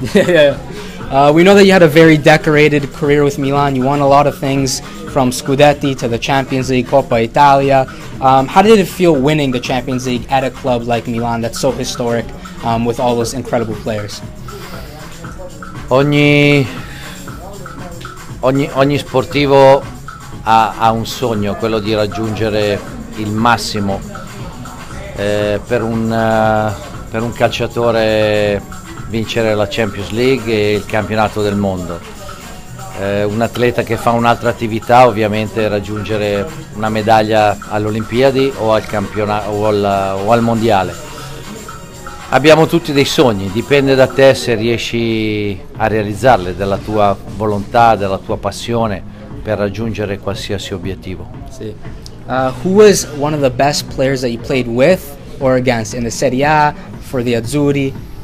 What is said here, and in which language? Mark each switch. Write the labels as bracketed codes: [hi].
[en] Yeah. We know that you had a very decorated career with Milan. You won a lot of things, from Scudetti to the Champions League, Coppa Italia. How did it feel winning the Champions League at a club like Milan that's so historic, with all those incredible players? [it] Ogni sportivo ha un sogno, quello di raggiungere il massimo. Per un calciatore, vincere la Champions League e il campionato del mondo. Un atleta che fa un'altra attività, ovviamente raggiungere una medaglia alle Olimpiadi o al campionato o al mondiale. Abbiamo tutti dei sogni, dipende da te se riesci a realizzarli, dalla tua volontà, dalla tua passione per raggiungere qualsiasi obiettivo. Sì. [en] Who was one of the best players that you played with or against in the Serie A, for the Azzurri?